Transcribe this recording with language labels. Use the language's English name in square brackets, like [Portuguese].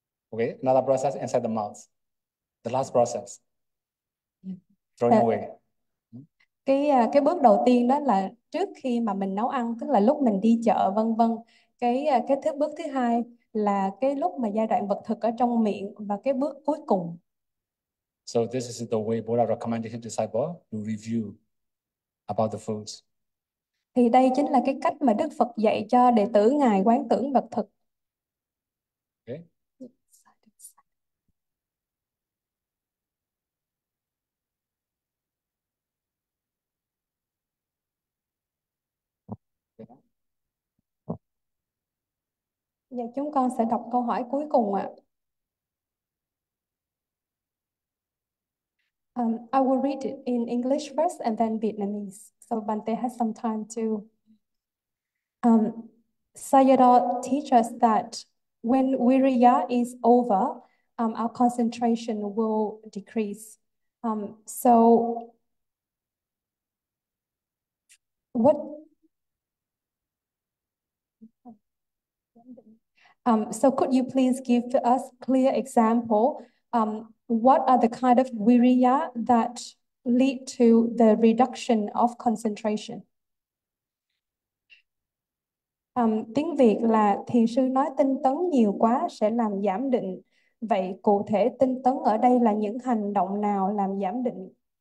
[English] Okay, another process inside the mouth. The last process. Throwing away. [Vietnamese] Cái bước đầu tiên đó là trước khi mà mình nấu ăn, tức là lúc mình đi chợ vân vân. Cái thứ bước thứ hai là cái lúc mà giai đoạn vật thực ở trong miệng, và cái bước cuối cùng. [English] So this is the way Buddha recommended his disciple to review about the foods. [Vietnamese] Thì đây chính là cái cách mà Đức Phật dạy cho đệ tử Ngài quán tưởng vật thực. Giờ chúng con sẽ đọc câu hỏi cuối cùng ạ. [English] I will read it in English first and then Vietnamese, so Bante has some time to. Sayadaw teach us that when wiriya is over, our concentration will decrease. So what? So could you please give us clear example? What are the kind of viriya that lead to the reduction of concentration? [Vietnamese] Tiếng Việt là thiền sư nói tinh tấn nhiều quá sẽ làm giảm định. Vậy cụ thể tinh tấn ở đây là những hành động nào làm giảm định?